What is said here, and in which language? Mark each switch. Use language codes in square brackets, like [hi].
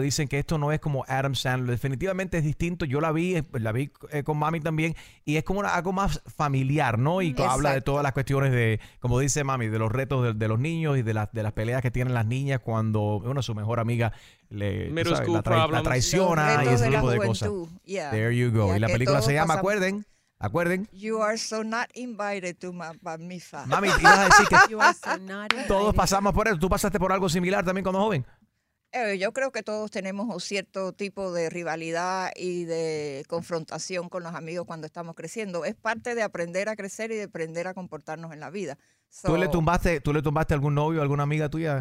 [es] Dicen que esto no es como Adam Sandler. Definitivamente es distinto. Yo la vi con mami también. Y es como algo más familiar, ¿no? Y habla de todas las cuestiones de, como dice mami, de los retos de los niños y de las peleas que tienen las niñas cuando una su mejor amiga la traiciona y ese tipo de cosas. [en] Yeah. There you go. Yeah, [es] y la película se llama, acuerden. Acuerden. [en] You are so not invited to my misa. Mami, [es] ibas a decir que [en] you are so not invited. [es] Todos pasamos por eso. ¿Tú pasaste por algo similar también cuando joven? Yo creo que todos tenemos un cierto tipo de rivalidad y de confrontación con los amigos cuando estamos creciendo. Es parte de aprender a crecer y de aprender a comportarnos en la vida. So, ¿Tú le tumbaste algún novio o alguna amiga tuya?